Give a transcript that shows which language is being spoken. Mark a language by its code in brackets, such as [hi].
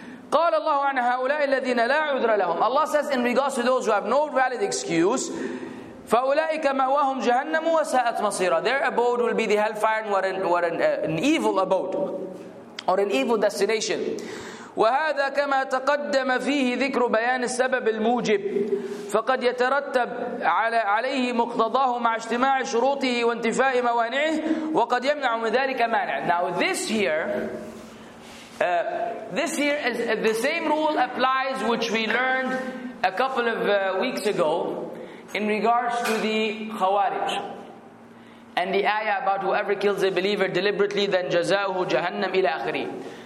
[ar] قال الله عن هؤلاء الذين لا عذر لهم. [en] Allah says in regards to those who have no valid excuse, [ar] فأولئك مأواهم جهنم وساءت مصيرا. [en] Their abode will be the hellfire, and what an evil abode or an evil destination. [ar] وهذا كما تقدم فيه ذكر بيان السبب الموجب فقد يترتب عليه مقتضاه مع اجتماع شروطه وانتفاء موانعه وقد يمنع من ذلك مانع. [en] Now this here is the same rule applies which we learned a couple of weeks ago in regards to the Khawarij and the ayah about whoever kills a believer deliberately then [ar] jazauhu jahannam ila akhiri.